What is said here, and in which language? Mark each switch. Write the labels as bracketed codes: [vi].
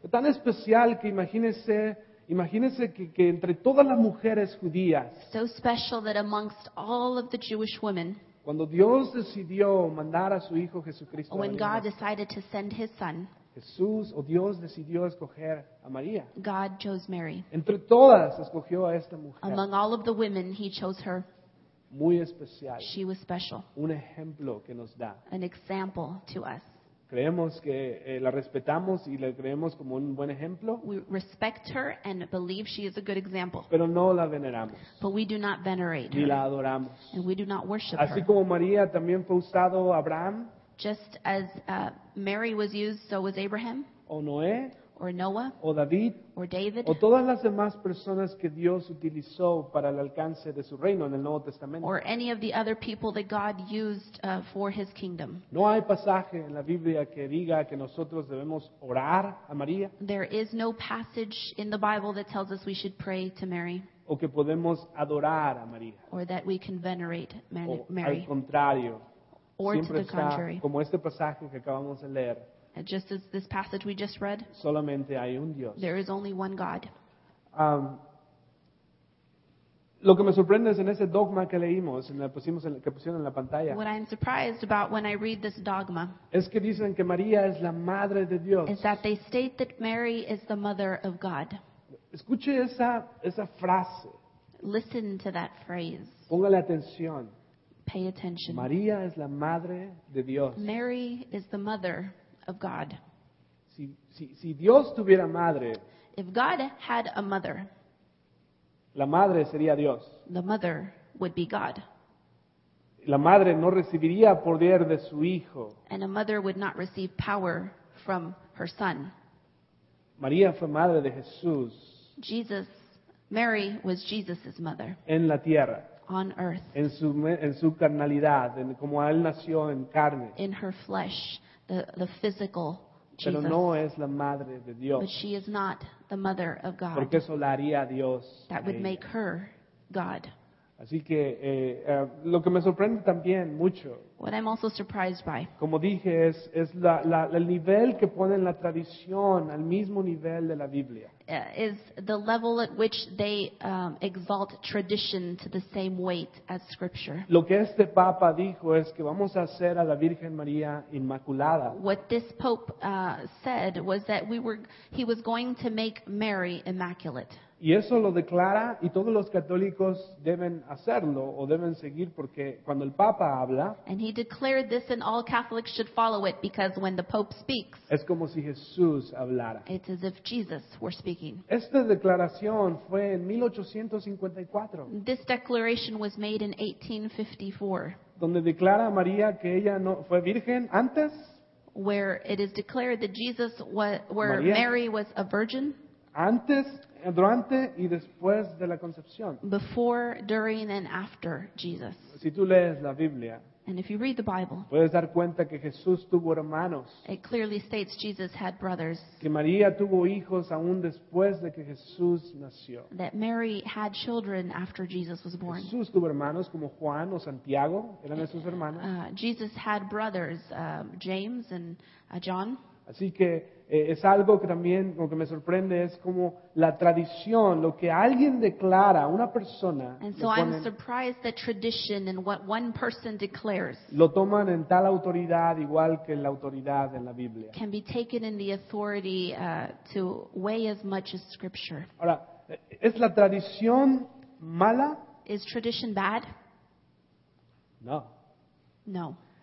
[es] Tan especial que imagínese que entre todas las mujeres judías. [en] So special that amongst all of the Jewish women. [es] Cuando Dios decidió mandar a su hijo Jesucristo. [en] When God decided to send his son. [es] Jesús o Dios decidió escoger a María. [en] God chose Mary. [es] Entre todas escogió a esta mujer. [en] Among all of the women he chose her. [es] Muy especial. [en] She was special. [es] Un ejemplo que nos da. [en] An example to us. [es] Creemos que la respetamos y la creemos como un buen ejemplo. [en] We respect her and believe she is a good example. [es] Pero no la veneramos. [en] But we do not venerate [es] ni la adoramos. [en] And we do not worship [es] así [en] her. [es] Como María también fue usado Abraham. [en] Just as Mary was used, so was Abraham. [es] O Noé. [en] or Noah, [es] o David, [en] or David, [es] o todas las demás personas que Dios utilizó para el alcance de su reino en el Nuevo Testamento, [en] or any of the other people that God used for His kingdom. [es] No hay pasaje en la Biblia que diga que nosotros debemos orar a María. [en] There is no passage in the Bible that tells us we should pray to Mary. [es] O que podemos adorar a María. [en] Or that we can venerate Mary. [es] O al contrario. [en] Or to the contrary. [es] Como este pasaje que acabamos de leer. [en] Just as this passage we just read. [es] Solamente hay un Dios. [en] There is only one God. [es] Lo que me sorprende es en ese dogma que leímos, que pusieron en la pantalla. [en] What I'm surprised about when I read this dogma. [es] Es que dicen que María es la madre de Dios. [en] Is that they state that Mary is the mother of God. [es] Escuche esa frase. [en] Listen to that phrase. [es] Póngale atención. [en] Pay attention. [es] María es la madre de Dios. [en] Mary is the mother of God. [es] Si Dios tuviera madre. [en] If God had a mother. [es] La madre sería Dios. [en] The mother would be God. [es] La madre no recibiría poder de su hijo. [en] And a mother would not receive power from her son. [es] María fue madre de Jesús. [en] Jesus, Mary was Jesus's mother. [es] En la tierra. [en] On earth. [es] En su carnalidad, en como él nació en carne. [en] In her flesh, the physical Jesus. [es] Pero no es la madre de Dios. [en] But she is not the mother of God. [es] Porque eso la haría Dios. [en] That would make her God. [es] Así que lo que me sorprende también mucho. [en] What I'm also surprised by. [es] Como dije, es el nivel que pone en la tradición al mismo nivel de la Biblia. [en] Is the level at which they exalt tradition to the same weight as Scripture. [es] Lo que este Papa dijo es que vamos a hacer a la Virgen María Inmaculada. [en] What this Pope said was that he was going to make Mary immaculate. [es] Y eso lo declara, y todos los católicos deben hacerlo, o deben seguir, porque cuando el Papa habla, [en] and he declared this and all Catholics should follow it, because when the Pope speaks, [es] es como si Jesús hablara. [en] It's as if Jesus were speaking. [es] Esta declaración fue en 1854. [en] This declaration was made in 1854. [es] Donde declara a María que ella no fue virgen antes. [en] Where it is declared that Jesus was, where María, Mary was a virgin. [es] Antes. Durante y después de la concepción. [en] Before, during, and after Jesus. [es] Si tú lees la Biblia, [en] and if you read the Bible, [es] puedes dar cuenta que Jesús tuvo hermanos. [en] It clearly states Jesus had brothers. [es] Que María tuvo hijos aún después de que Jesús nació. [en] That Mary had children after Jesus was born. [es] Jesús tuvo hermanos como Juan o Santiago, eran esos hermanos. [en] Jesus had brothers, James and John. [es] Así que es algo que también lo que me sorprende es como la tradición, lo que alguien declara, una persona, [en] and so I'm surprised that tradition and what one person declares, [es] lo toman en tal autoridad igual que la autoridad en la Biblia, [en] can be taken in the authority to weigh as much as Scripture. [es] Ahora, ¿es la tradición mala? [en] Is tradition bad? [es] No. [en] No.